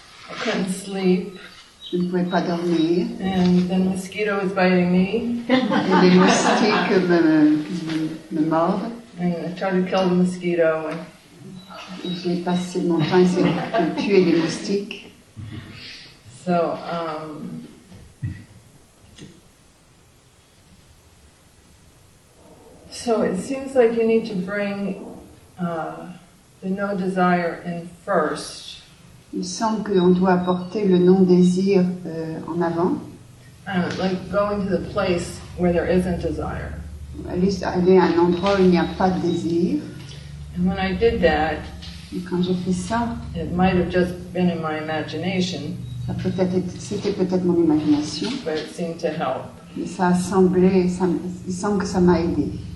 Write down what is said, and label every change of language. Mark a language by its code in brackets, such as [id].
[en] I couldn't sleep. [fr] Je ne pouvais pas dormir. [en] And the mosquito was biting me. [fr] Et les moustiques me mordent. [en] And I tried to kill the mosquito. [fr] J'ai passé mon temps à essayer de tuer les moustiques. [en] So, so it seems like you need to bring the no desire in first. [fr] Il semble qu'on doit apporter le non désir en avant. [en] Like going to the place where there isn't desire. [fr] Aller à un endroit où il n'y a pas de désir. [en] And when I did that, [fr] et quand j'ai fait ça, [en] it might have just been in my imagination. [fr] Ça peut-être, c'était peut-être mon imagination. [en] But it seemed to help. [fr] Mais ça a semblé, ça, il semble que ça m'a aidé.